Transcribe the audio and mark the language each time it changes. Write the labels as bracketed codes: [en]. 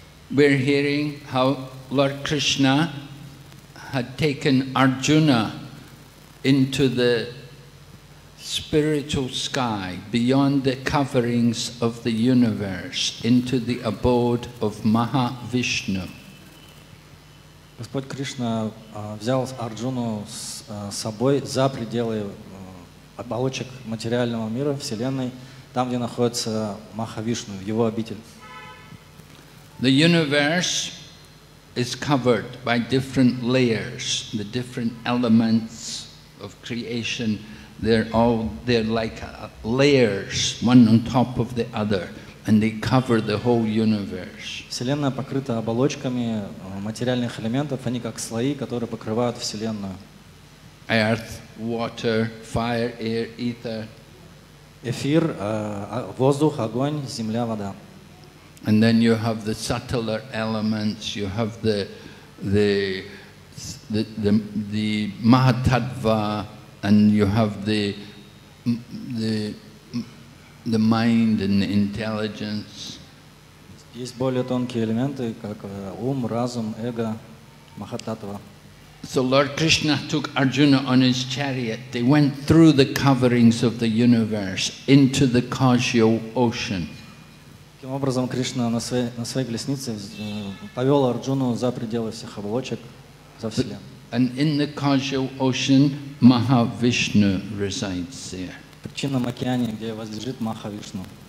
[en] We're hearing how Lord Krishna had taken Arjuna into the spiritual sky, beyond the coverings of the universe, into the abode of Mahavishnu. [ru] Господь Кришна взял Арджуну с собой за пределы оболочек материального мира, Вселенной, там, где находится Махавишну, его обитель. [en] The universe is covered by different layers, the different elements of creation. They're like layers, one on top of the other, and they cover the whole universe. [ru] Вселенная покрыта оболочками материальных элементов, они как слои, которые покрывают Вселенную. [en] Earth, water, fire, air, ether. [ru] Эфир, воздух, огонь, земля, вода. [en] And then you have the subtler elements, you have the mahatattva, and you have the mind and the intelligence. [ru] Есть более тонкие элементы, как ум, разум, эго, махататтва. [en] So Lord Krishna took Arjuna on his chariot. They went through the coverings of the universe into the causal ocean. [ru] Таким образом, Кришна на своей колеснице повел Арджуну за пределы всех оболочек, за Вселенную. В причинном океане, где возлежит Махавишну.